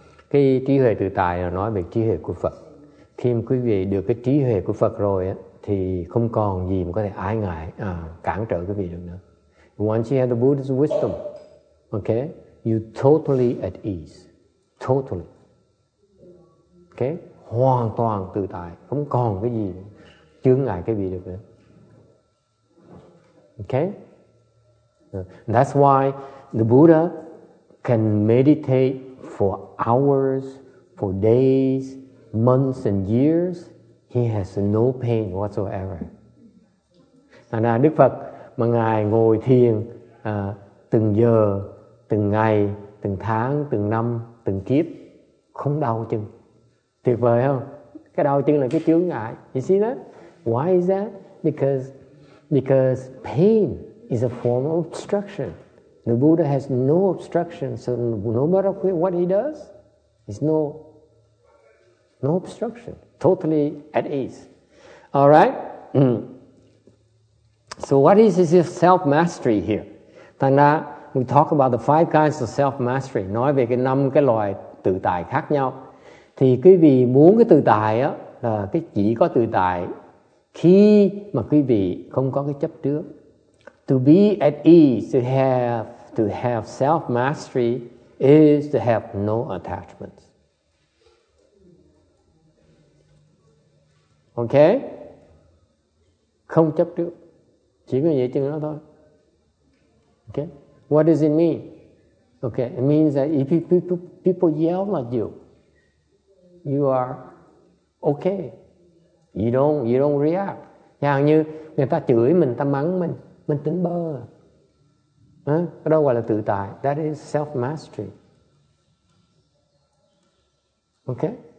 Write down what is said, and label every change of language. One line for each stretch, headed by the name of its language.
Vietnamese: Cái trí huệ tự tại là nói về trí huệ của Phật. Khi mà quý vị được cái trí huệ của Phật rồi á, thì không còn gì mà có thể ái ngại, cản trở quý vị được nữa.
English: Once you have the Buddha's wisdom, okay, you're totally at ease. Totally.
Vietnamese: Okay? Hoàn toàn tự tại. Không còn cái gì chướng ngại cái gì được nữa.
English: Okay? That's why the Buddha can meditate for hours, for days, months and years. He has no pain whatsoever.
Vietnamese: Thành ra Đức Phật mà Ngài ngồi thiền từng giờ, từng ngày, từng tháng, từng năm, từng kiếp, không đau chân. Tuyệt vời không? Cái đau chân là cái chướng ngại.
English: You see that? Why is that? Because pain is a form of obstruction. The Buddha has no obstruction, so no matter what he does, there's no obstruction. Totally at ease. All right? So what is his self-mastery here?
Vietnamese: Thành ra,
English: we talk about the five kinds of self-mastery.
Vietnamese: Nói về cái năm cái loại tự tại khác nhau. Thì quý vị muốn cái tự tại á, là cái chỉ có tự tại khi mà quý vị không có cái chấp trước.
English: To be at ease, to have self-mastery is to have no attachments.
Vietnamese: Okay? Không chấp trước. Chỉ có vậy chừng đó thôi. Okay?
English: What does it mean? Okay, it means that if people yell at you, you are okay. You don't react.
Vietnamese: Chẳng như người ta chửi mình, ta mắng mình tính bơ. Cái đó gọi là tự tại.
English: That is self-mastery. Okay?